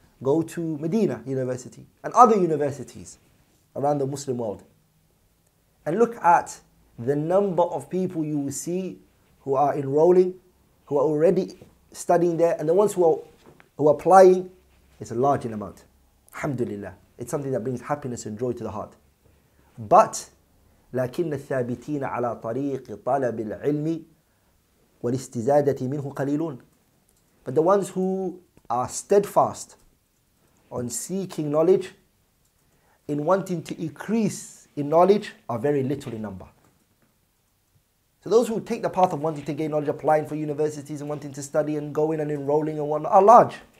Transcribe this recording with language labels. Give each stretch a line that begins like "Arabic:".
English: Go to Medina University and other universities around the Muslim world. And look at the number of people you will see who are enrolling, who are already studying there, and the ones who are applying, it's a large amount. Alhamdulillah. It's something that brings happiness and joy to the heart. But,
Arabic: لكن الثابتين على طريق طلب العلم والاستزادة منه قليلون.
English: But the ones who are steadfast on seeking knowledge, in wanting to increase in knowledge, are very little in number. So those who take the path of wanting to gain knowledge, applying for universities and wanting to study and going and enrolling and whatnot, are large.